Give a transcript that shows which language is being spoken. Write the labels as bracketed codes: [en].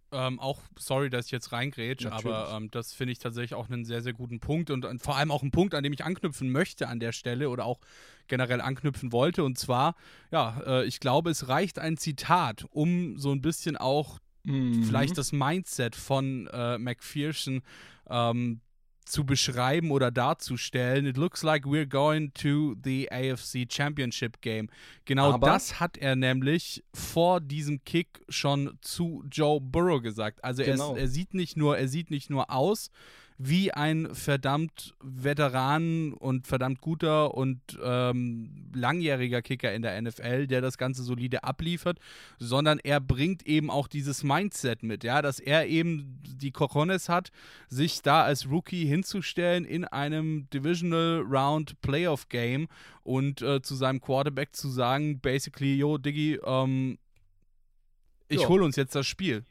[de] Auch, sorry, dass ich jetzt reingrätsche, aber das finde ich tatsächlich auch einen sehr, sehr guten Punkt und vor allem auch einen Punkt, an dem ich anknüpfen möchte an der Stelle oder auch generell anknüpfen wollte. Und zwar, ja, ich glaube, es reicht ein Zitat, um so ein bisschen auch vielleicht das Mindset von McPherson zu beschreiben oder darzustellen. [en] It looks like we're going to the AFC Championship Game. [de] Genau, aber das hat er nämlich vor diesem Kick schon zu Joe Burrow gesagt. Also genau. er sieht nicht nur aus wie ein verdammt Veteran und verdammt guter und langjähriger Kicker in der NFL, der das Ganze solide abliefert, sondern er bringt eben auch dieses Mindset mit, ja, dass er eben die Cojones hat, sich da als Rookie hinzustellen in einem Divisional Round Playoff Game und zu seinem Quarterback zu sagen, [en] basically, yo, [de] Diggi, ich hole uns jetzt das Spiel.